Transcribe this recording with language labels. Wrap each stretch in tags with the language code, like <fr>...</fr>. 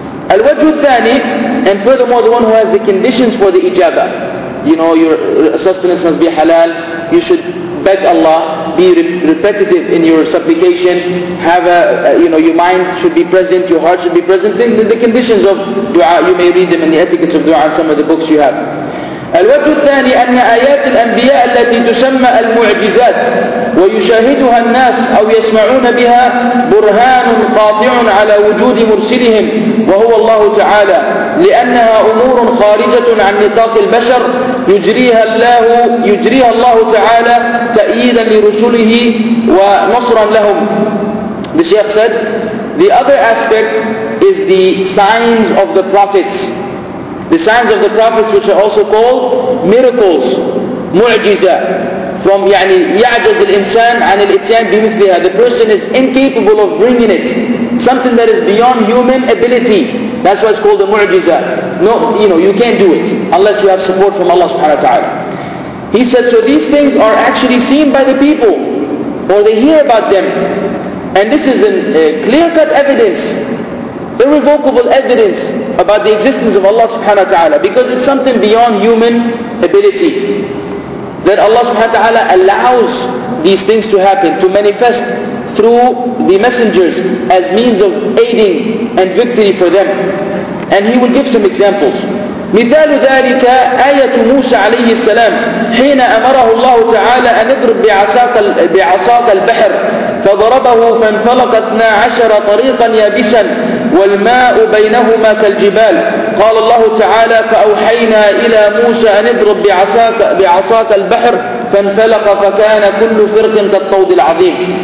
<en>Al-Wajhu Thani, and furthermore, the one who has the conditions for the ijabah. You know, your sustenance must be halal. You should beg Allah, be repetitive in your supplication, have your mind should be present, your heart should be present. Then the conditions of dua, you may read them in the etiquettes of dua, some of the books you have.</en> <ar>الوجه الثاني أن آيات الأنبياء التي تسمى المعجزات ويشاهدها الناس أو يسمعون بها برهان قاطع على وجود مرسلهم وهو الله تعالى، لأنها أمور خارجة عن نطاق البشر يجريها الله تعالى تأييدا لرسله ونصرا لهم.</ar> <en>The Shaykh said, the other aspect is the signs of the prophets. The signs of the prophets, which are also called miracles, mu'jiza.</en> <ar>From يعني يعجز الإنسان عن الإتيان بمثلها.</ar> <en>The person is incapable of bringing it. Something that is beyond human ability. That's why it's called a mu'jiza. No, you know, you can't do it unless you have support from Allah subhanahu wa ta'ala. He said, so these things are actually seen by the people, or they hear about them. And this is a clear-cut evidence, irrevocable evidence about the existence of Allah subhanahu wa ta'ala, because it's something beyond human ability. That Allah subhanahu wa ta'ala allows these things to happen, to manifest through the messengers as means of aiding and victory for them. And he will give some examples.</en> <ar>مثال ذلك آية موسى عليه السلام حين أمره الله تعالى أن يضرب بعصاك البحر فضربه فانفلق 12 طريقا يابسا والماء بينهما كالجبال قال الله تعالى فأوحينا إلى موسى أن يضرب بعصاك البحر فانفلق فكان كل فرق كالطود العظيم.</ar>